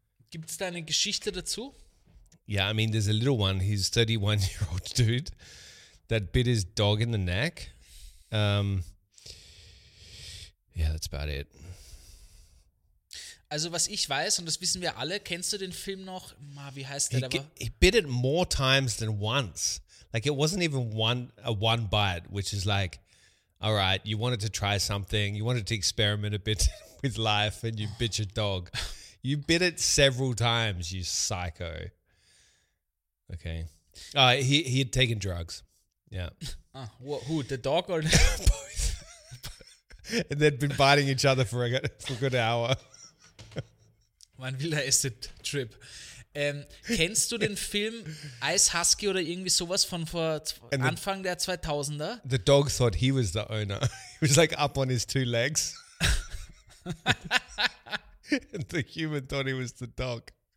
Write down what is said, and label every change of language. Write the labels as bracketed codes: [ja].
[de] Gibt es da eine Geschichte dazu? [en] Yeah, I mean, there's a little one. He's a 31-year-old dude that bit his dog in the neck. Yeah, that's about it. [de] Also, was ich weiß, und das wissen wir alle, kennst du den Film noch? Wie heißt der? [en] He bit it more times than once. Like, it wasn't even one bite, which is like, all right, you wanted to try something, you wanted to experiment a bit with life, and you bit your dog. You bit it several times, you psycho. Okay. He had taken drugs. Yeah. Who, the dog or the... Both. And they'd been biting each other for a good hour. [de] Man will der erste Trip. Kennst du den Film Ice Husky oder irgendwie sowas von vor Anfang der 2000er? [en] The dog thought he was the owner. He was like up on his two legs. And the human thought he was the dog.